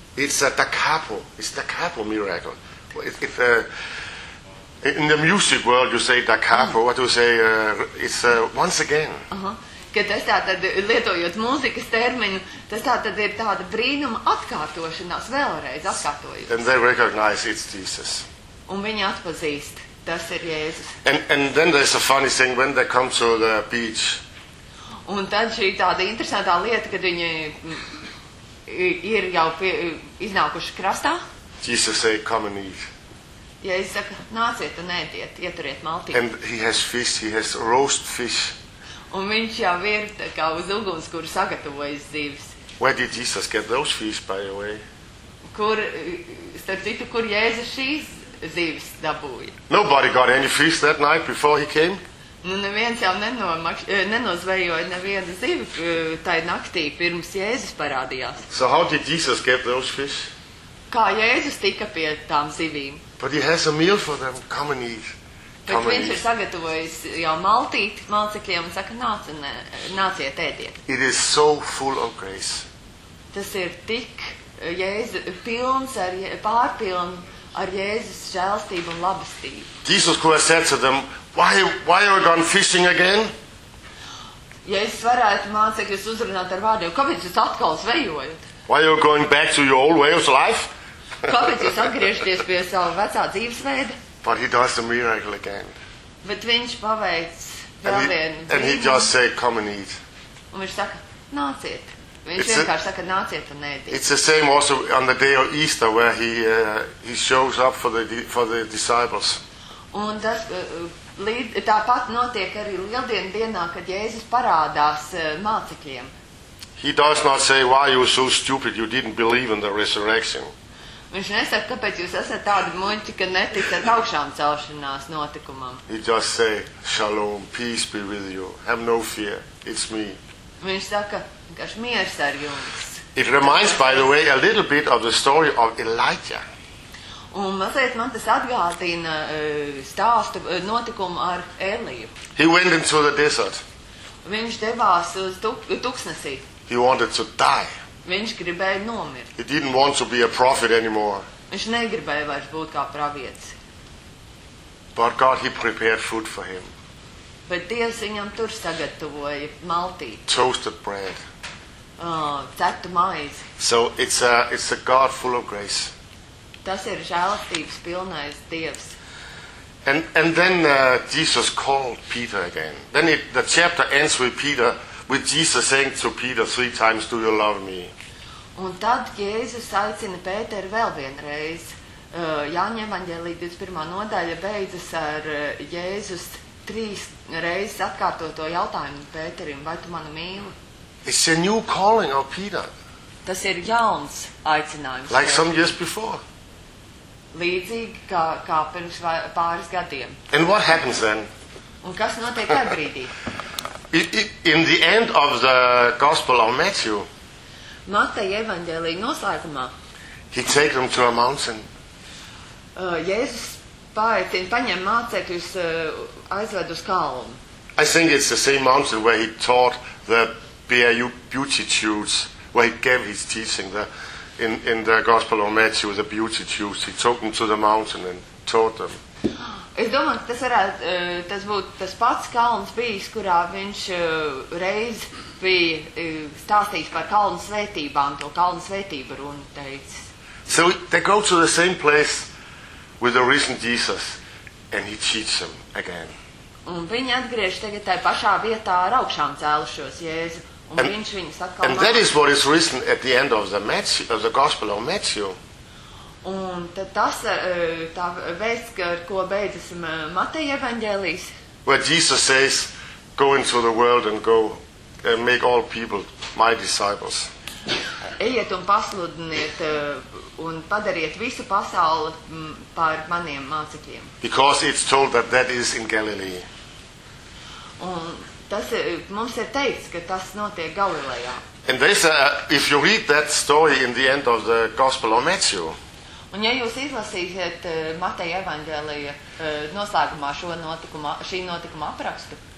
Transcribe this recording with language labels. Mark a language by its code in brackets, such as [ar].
[en] It's the capo. It's the capo miracle. If in the music world you say the capo, what do you say it's once again. [lv] Kad tas tātad, lietojot mūzikas terminu, tas tātad ir tāda brīnuma atkārtošanās, vēlreiz atkārtojas. [en] And they recognize it's Jesus. [lv] Un viņi atpazīst, tas ir Jēzus. [en] And then there's a funny thing, when they come to the beach. [lv] Un tad šī tāda interesantā lieta, kad viņi ir jau iznākuši krastā. [en] Jesus say, come and eat. [lv] Jēzus saka, nāciet un ēdiet, ieturiet maltīt. [en] And he has fish, he has roast fish. [lv] Un viņš jau ir tā kā uz uguns, kur sagatavojas zivs. [en] Where did Jesus get those fish, by the way? [lv] Kur, starp citu, kur Jēzus šīs zivs dabūja? [en] Nobody got any fish that night before he came. [lv] Nu, neviens jau nenozvejoja neviena zivu tai naktī, pirms Jēzus parādījās. [en] So how did Jesus get those fish? [lv] Kā Jēzus tika pie tām zivīm? [en] But he has a meal for them, come and eat. [lv] Bet viņš ir sagatavojis jau maltīt mācekļiem un saka, nāciet ēdiet. [en] It is so full of grace. [lv] Tas ir tik Jēzus, pilns ar, pārpilni ar Jēzus žēlstību un labestību. [en] Jesus, who has said to them, why are you gone fishing again? [lv] Jēzus varētu mācekļus uzrunāt ar vārdiem, kāpēc jūs atkal zvejojat? [en] Why are you going back to your old way of life? [lv] Kāpēc jūs atgriežaties pie savu vecā dzīvesveida? [en] But he does the miracle again. [lv] Bet viņš paveic vēl vienu dzīvi. [en] And he just say, come and eat. [lv] Un viņš saka, nāciet. Viņš it's vienkārši saka, nāciet un ēdiet. [en] It's the same also on the day of Easter, where he shows up for the disciples. [lv] Un tas tāpat notiek arī lieldienu dienā, kad Jēzus parādās mācekļiem. [en] He does not say, why you so stupid, you didn't believe in the resurrection. [lv] Viņš nesaka, kāpēc jūs esat tādi muļķi, ka netika ar augšām celšanās notikumam. [en] He just say, shalom, peace be with you, have no fear, it's me. [lv] Viņš saka, vienkārši miers ar jums. [en] It reminds, by the way, a little bit of the story of Elijah. [lv] Un mazliet man tas atgādina stāstu notikumu ar Eliju. [en] He went into the desert. [lv] Viņš devās uz tuksnesī. [en] He wanted to die. [lv] Viņš gribēja nomirt. [en] He didn't want to be a prophet anymore. [lv] Viņš negribēja vairs būt kā pravietis. [en] But God, he prepared food for him. [lv] Bet Dievs viņam tur sagatavoja maltīti. [en] Toasted bread. [lv] Cetu maizi. [en] So it's a God full of grace. [lv] Tas ir žēlastības pilnais Dievs. [en] And then Jesus called Peter again. Then the chapter ends with Peter, with Jesus saying to Peter 3 times, "Do you love me?" [lv] Un tad Jēzus aicina Pēteru vēl vienreiz. Jāņa evaņģēlī 21. Nodaļa beidzas ar Jēzus 3 reizes atkārtoto jautājumu Pēterim, vai tu mani mīli? [en] It's a new calling of Peter. [lv] Tas ir jauns aicinājums. [en] Like some years before. [lv] Līdzīgi kā pirms pāris gadiem. [en] And what happens then? [lv] Un kas notiek tajā brīdī? [en] In the end of the Gospel of Matthew. [lv] Mateja evaņģēlī noslēgumā. [en] He takes them to a mountain. [lv] Jēzus paņem mācekļus aizved uz kalnu. [en] I think it's the same mountain where he taught the beatitudes, where he gave his teaching in the Gospel of Matthew, the beatitudes. He took them to the mountain and taught them. [lv] Es domāju, ka tas būtu tas pats kalns bijis, kurā viņš reiz bija stāstījis par kalnu svētībām, to kalnu svētību runu teicis. [en] So they go to the same place with the risen Jesus, and he teaches them again. [lv] Un viņi atgriež tagad tajā pašā vietā ar augšām cēlušos Jēzu, un viņš viņus atkal mācīja. [en] And that is what is risen at the end of the Gospel of Matthew. [lv] Un tad tas, tā vēsts, ar ko beidzas Mateja evaņģēlijs. [en] Where Jesus says, go into the world and go and make all people my disciples. [lv] Ejiet un pasludiniet un padariet visu pasauli par maniem mācekļiem. [en] Because it's told that that is in Galilee. [lv] Un tas mums ir teikts, ka tas notiek Galilejā. [en] And there's a, if you read that story in the end of the Gospel of Matthew. [lv] Un ja jūs izlasīsiet Mateja evaņģēlija noslēgumā šī notikuma aprakstu.